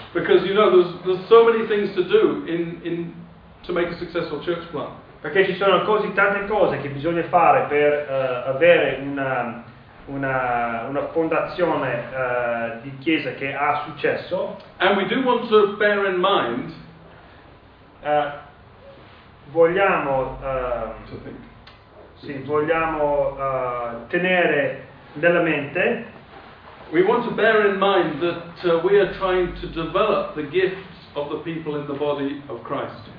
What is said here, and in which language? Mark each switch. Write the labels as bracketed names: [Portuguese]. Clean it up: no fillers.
[English] Because you know there's so many things to do in to make a successful church plant. [Italian] Perché ci sono così tante cose che bisogna fare per avere una fondazione di chiesa che ha successo. [English] And we do want to bear in mind. [Italian] Vogliamo. Sì, vogliamo tenere nella mente. [English] We want to bear in mind that we are trying to develop the gifts of the people in the body of Christ.